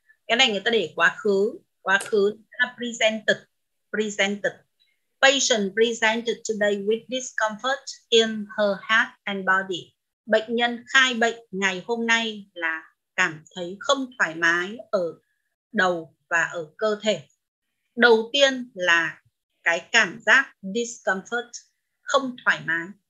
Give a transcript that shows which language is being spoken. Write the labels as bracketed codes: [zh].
[vi] Cái này người ta để quá khứ là presented. [en] Patient presented today with discomfort in her head and body. [vi] Bệnh nhân khai bệnh ngày hôm nay là cảm thấy không thoải mái ở đầu và ở cơ thể. Đầu tiên là cái cảm giác discomfort, không thoải mái.